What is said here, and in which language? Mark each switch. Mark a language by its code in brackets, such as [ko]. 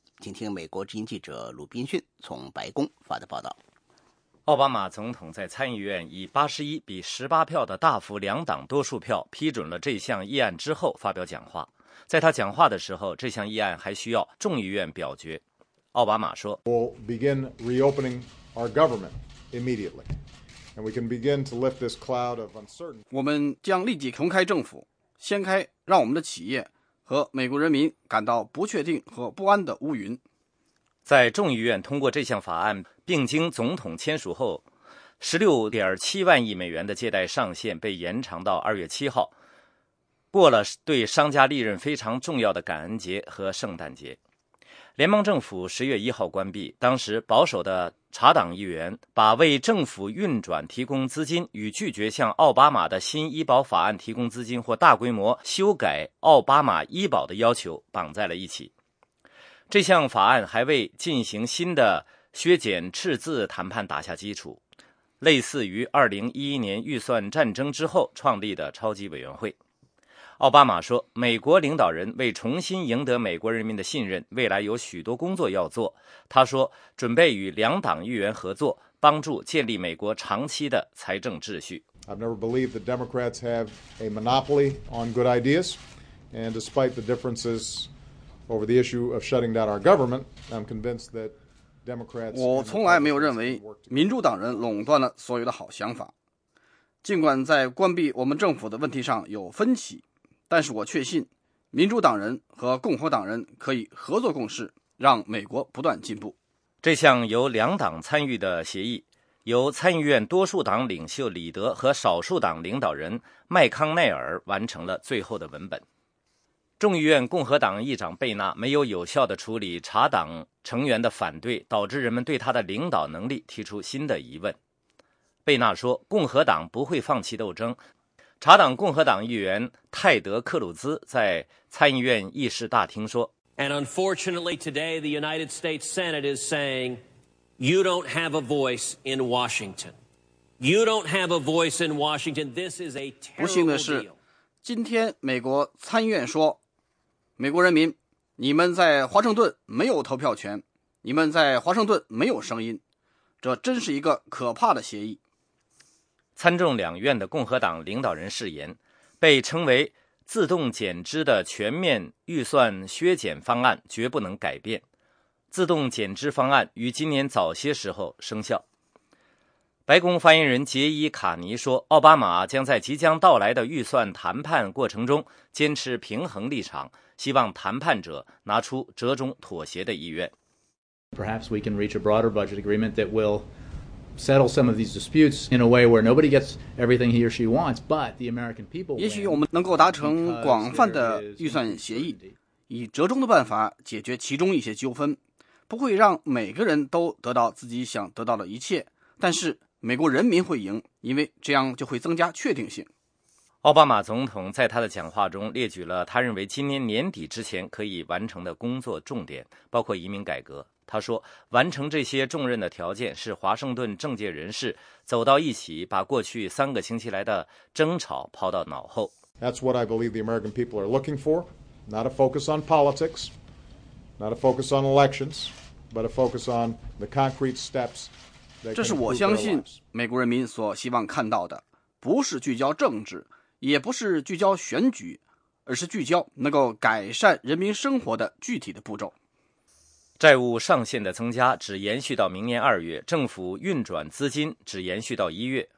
[zh] 请听美国之音记者鲁宾逊从白宫发的报道。奥巴马总统在参议院以81-18票的大幅两党多数票批准了这项议案之后发表讲话。在他讲话的时候，这项议案还需要众议院表决。奥巴马说 [en] ：“We'll begin reopening our government immediately, and we can begin to lift this cloud of uncertainty。 [zh] 我们将立即重开政府，掀开让我们的企业和美国人民感到不确定和不安的乌云。” 在众议院通过这项法案并经总统签署后，16.7万亿美元的借贷上限被延长到2月7号，过了对商家利润非常重要的感恩节和圣诞节。联邦政府10月1号关闭，当时保守的查党议员把为政府运转提供资金与拒绝向奥巴马的新医保法案提供资金或大规模修改奥巴马医保的要求绑在了一起。这项法案还为进行新的削减赤字谈判打下基础，类似于2011年预算战争之后创立的超级委员会。奥巴马说，美国领导人为重新赢得美国人民的信任，未来有许多工作要做。他说，准备与两党议员合作，帮助建立美国长期的财政秩序。 [en] I've never believed that Democrats have a monopoly on good ideas, and despite the differences over the issue of shutting down our government, I'm convinced that Democrats. [zh] 我从来没有认为民主党人垄断了所有的好想法，尽管在关闭我们政府的问题上有分歧。但是我确信民主党人和共和党人可以合作共事，让美国不断进步。这项由两党参与的协议由参议院多数党领袖李德和少数党领导人麦康奈尔完成了最后的文本。众议院共和党议长贝纳没有有效地处理查党成员的反对，导致人们对他的领导能力提出新的疑问。贝纳说，共和党不会放弃斗争。查党共和党议员泰德·克鲁兹在参议院议事大厅说 [en] ：“And unfortunately, today the United States Senate is saying you don't have a voice in Washington. You don't have a voice in Washington. This is a terrible deal.” [zh] 不幸的是，今天美国参议院说：“美国人民，你们在华盛顿没有投票权，你们在华盛顿没有声音。这真是一个可怕的协议。” 参众两院的共和党领导人誓言，被称为自动减支的全面预算削减方案绝不能改变。自动减支方案于今年早些时候生效。白宫发言人杰伊·卡尼说，奥巴马将在即将到来的预算谈判过程中坚持平衡立场，希望谈判者拿出折中妥协的意愿。 [en] Perhaps we can reach a broader budget agreement that will settle some of these disputes in a way where nobody gets everything he or she wants, but the American people. [zh] 也许我们能够达成广泛的预算协议，以折中的办法解决其中一些纠纷，不会让每个人都得到自己想得到的一切，但是美国人民会赢，因为这样就会增加确定性。奥巴马总统在他的讲话中列举了他认为今年年底之前可以完成的工作重点，包括移民改革、他说，完成这些重任的条件是华盛顿政界人士走到一起，把过去三个星期来的争吵抛到脑后。 [en] That's what I believe the American people are looking for. Not a focus on politics, not a focus on elections, but a focus on the concrete steps. [zh] 这是我相信美国人民所希望看到的，不是聚焦政治，也不是聚焦选举，而是聚焦能够改善人民生活的具体的步骤。债务上限的增加只延续到明年二月，政府运转资金只延续到一月。